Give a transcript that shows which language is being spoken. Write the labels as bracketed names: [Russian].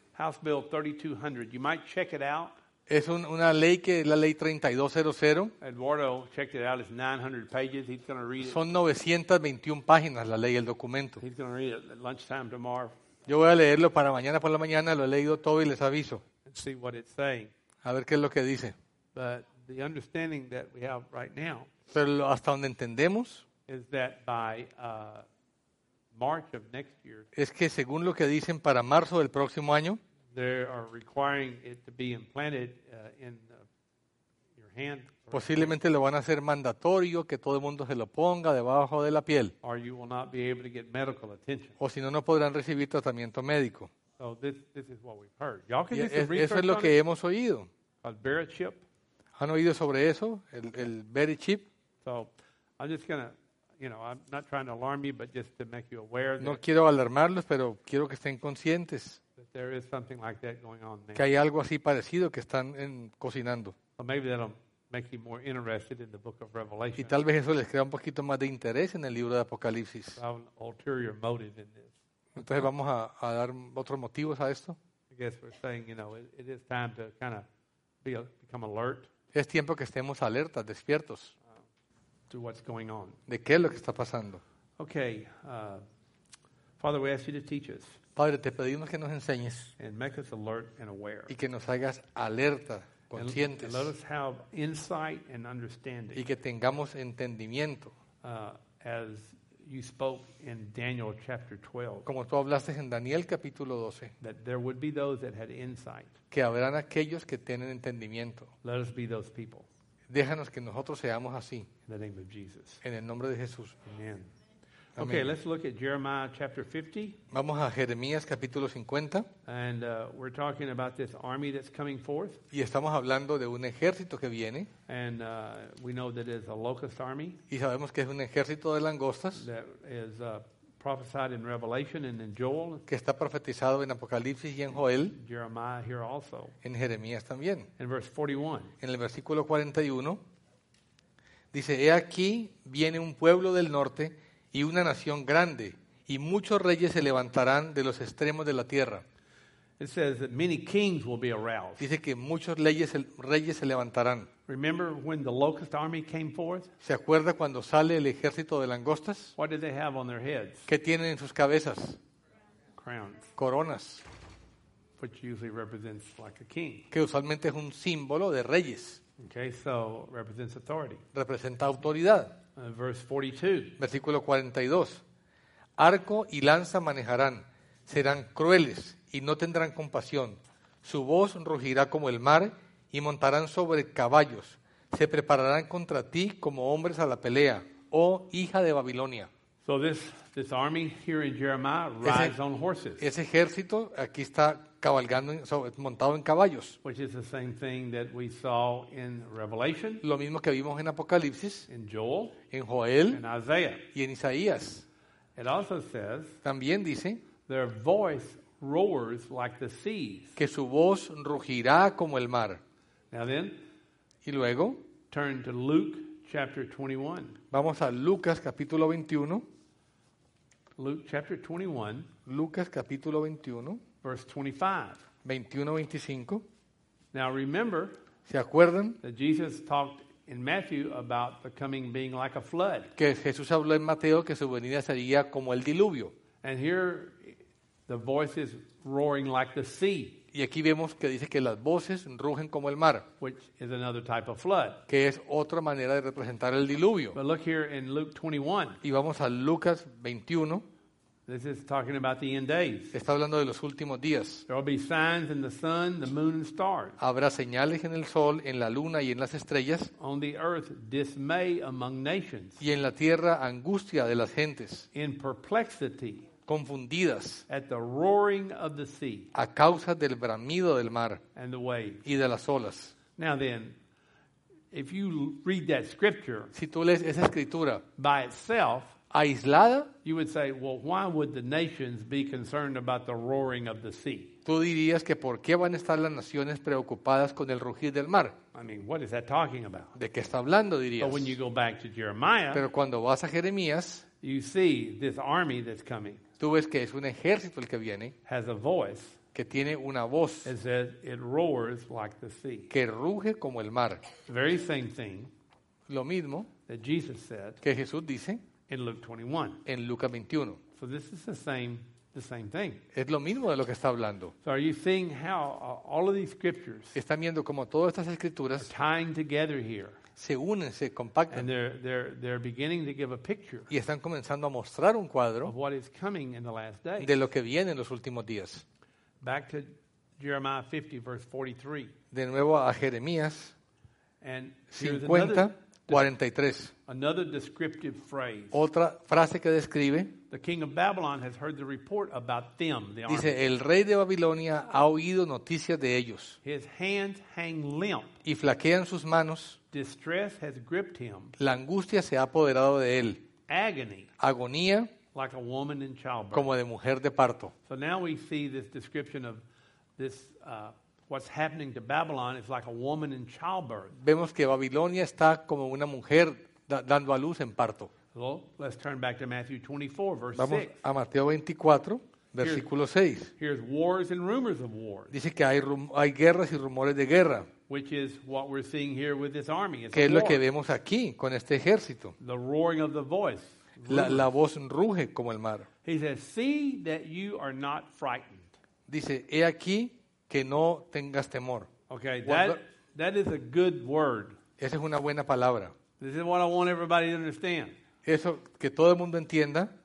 [English] House bill 3200. You might check it out. [Spanish] Es una ley que es la ley 3200. [English] Eduardo checked it out. It's 900 pages. He's going to read it. [Spanish] Son 921 páginas la ley, el documento. [English] He's going to read it at lunchtime tomorrow. [Spanish] Yo voy a leerlo para mañana por la mañana. Lo he leído todo y les aviso. [English] See what it's saying. [Spanish] A ver qué es lo que dice. [English] But the understanding that we have right now, [Spanish] pero hasta donde entendemos, [English] is that by March of next year, [Spanish] es que según lo que dicen para marzo del próximo año, [English] they are requiring it to be implanted in your hand. [Spanish] Posiblemente lo van a hacer mandatorio que todo el mundo se lo ponga debajo de la piel. [English] Or you will not be able to get medical attention. [Spanish] O si no, no podrán recibir tratamiento médico. [English] So this is what we've heard. Y'all can do some research. [Spanish] Eso es lo que hemos oído. El VeriChip. ¿Han oído sobre eso? El VeriChip. [English] So I'm just gonna, you know, I'm not trying to alarm you, but just to make you aware. [Spanish] No quiero alarmarlos, pero quiero que estén conscientes. [English] That there is something like that going on there. [Spanish] Que hay algo así parecido que están cocinando. [English] So maybe that'll make you more interested in the book of Revelation. [Spanish] Y tal vez eso les crea un poquito más de interés en el libro de Apocalipsis. [English] I have an ulterior motive in this. [Spanish] Entonces vamos a dar otros motivos a esto. [English] I guess we're saying, you know, it is time to kind of become alert. [Spanish] Es tiempo que estemos alertas, despiertos. [English] To what's going on. [Spanish] De qué es lo que está pasando. [English] Okay, Father, we ask you to teach us. [Spanish] Padre, te pedimos que nos enseñes. [English] And make us alert and aware. [Spanish] Y que nos hagas alerta, conscientes. [English] And let us have insight and understanding. [Spanish] Y que tengamos entendimiento. [English] As you spoke in Daniel chapter 12. [Spanish] Como tú hablaste en Daniel capítulo 12. [English] That there would be those that had insight. [Spanish] Que habrán aquellos que tienen entendimiento. [English] Let us be those people. [Spanish] Déjanos que nosotros seamos así. [English] In the name of Jesus. [Spanish] En el nombre de Jesús. [English] Amen. Amen. Okay, let's look at Jeremiah chapter 50. [Spanish] Vamos a Jeremías capítulo 50. [English] And we're talking about this army that's coming forth. [Spanish] Y estamos hablando de un ejército que viene. [English] And we know that it's a locust army. [Spanish] Y sabemos que es un ejército de langostas. [English] That is prophesied in Revelation and in Joel. [Spanish] Que está profetizado en Apocalipsis y en Joel. [English] Jeremiah here also. [Spanish] En Jeremías también. [English] In verse 41. [Spanish] En el versículo 41 dice: He aquí viene un pueblo del norte y una nación grande, y muchos reyes se levantarán de los extremos de la tierra. [English] It says that many kings will be aroused. [Spanish] Dice que muchos reyes se levantarán. [English] Remember when the locust army came forth? [Spanish] ¿Se acuerda cuando sale el ejército de langostas? [English] What did they have on their heads? [Spanish] ¿Qué tienen en sus cabezas? [English] Crowns. [Spanish] Coronas. [English] Which usually represents like a king. [Spanish] Que usualmente es un símbolo de reyes. [English] Okay, so represents authority. [Spanish] Representa autoridad. [English] Verse 42. [Spanish] Versículo 42. Arco y lanza manejarán, serán crueles y no tendrán compasión. Su voz rugirá como el mar y montarán sobre caballos. Se prepararán contra ti como hombres a la pelea, oh hija de Babilonia. [English] So this army here in Jeremiah rides on horses. [Spanish] Ese ejército aquí está cabalgando, montado en caballos. [English] Which is the same thing that we saw in Revelation. [Spanish] Lo mismo que vimos en Apocalipsis. [English] In Joel. [Spanish] En Joel. [English] In Isaiah. [Spanish] Y en Isaías. [English] It also says. [Spanish] También dice. [English] Their voice roars like the seas. [Spanish] Que su voz rugirá como el mar. [English] Now then, [Spanish] y luego, [English] turn to Luke chapter 21. [Spanish] Vamos a Lucas capítulo 21. [English] Luke chapter 21. [Spanish] Lucas capítulo 21. [English] Verse 25. [Spanish] 21-25. [English] Now remember, [Spanish] ¿se acuerdan? [English] That Jesus talked in Matthew about the coming being like a flood. [Spanish] Que Jesús habló en Mateo que su venida sería como el diluvio. [English] And here the voice is roaring like the sea. [Spanish] Y aquí vemos que dice que las voces rugen como el mar, [English] which is another type of flood. [Spanish] Que es otra manera de representar el diluvio. [English] But look here in Luke 21. [Spanish] Y vamos a Lucas 21. [English] This is talking about the end days. [Spanish] Está hablando de los últimos días. [English] There will be signs in the sun, the moon, and stars. [Spanish] Habrá señales en el sol, en la luna y en las estrellas. [English] On the earth, dismay among nations. [Spanish] Y en la tierra, angustia de las gentes. [English] In perplexity. [Spanish] Confundidas. [English] At the roaring of the sea. [Spanish] A causa del bramido del mar. [English] And the waves. [Spanish] Y de las olas. [English] Now then, if you read that scripture, [Spanish] si tú lees esa escritura, [English] by itself, [Spanish] aislada, [English] you would say, well, why would the nations be concerned about the roaring of the sea? [Spanish] Tú dirías que por qué van a estar las naciones preocupadas con el rugir del mar. [English] I mean, what is that talking about? [Spanish] ¿De qué está hablando, dirías? [English] But when you go back to Jeremiah, [Spanish] pero cuando vas a Jeremías, [English] you see this army that's coming. [Spanish] Tú ves que es un ejército el que viene. [English] Has a voice. [Spanish] Que tiene una voz. [English] It says it roars like the sea. [Spanish] Que ruge como el mar. [English] The very same thing. [Spanish] Lo mismo. [English] That Jesus said. [Spanish] Que Jesús dice. [English] In Luke 21. [Spanish] En Lucas 21. [English] So this is the same thing. [Spanish] Es lo mismo de lo que está hablando. [English] So are you seeing how all of these scriptures? [Spanish] Están viendo cómo todas estas escrituras. [English] Tying together here. [Spanish] Se unen, se compactan. [English] And they're beginning to give a picture. [Spanish] Y están comenzando a mostrar un cuadro. [English] Of what is coming in the last days. [Spanish] De lo que viene en los últimos días. [English] Back to Jeremiah 50, verse 43. [Spanish] De nuevo a Jeremías. [English] And [Spanish] 50:43. [English] Another descriptive phrase. [Spanish] Otra frase que describe. [English] The king of Babylon has heard the report about them. The [Spanish] dice, [English] army. [Spanish] El rey de Babilonia ha oído noticias de ellos. [English] His hands hang limp. [Spanish] Y flaquean sus manos. [English] Distress has gripped him. [Spanish] La angustia se ha apoderado de él. [English] Agony. [Spanish] Agonía. [English] Like a woman in childbirth. [Spanish] Como de mujer de parto. [English] So now we see this description of this what's happening to Babylon is like a woman in childbirth. [Spanish] Vemos que Babilonia está como una mujer dando a luz en parto. [English] Well, let's turn back to Matthew 24, verse 6. [Spanish] Vamos a Mateo 24, versículo 6. [English] Here's wars and rumors of wars. [Spanish] Dice que hay guerras y rumores de guerra. [English] Which is what we're seeing here with this army. [Spanish] ¿Qué es lo que vemos aquí con este ejército? [English] The roaring of the voice. [Spanish] La voz ruge como el mar. [English] He says, "See that you are not frightened." [Spanish] Dice, he aquí que no tengas temor. [English] Okay, that is a good word. [Spanish] Esa es una buena palabra. [English] This is what I want everybody to understand. [Spanish] Eso que todo el mundo entienda.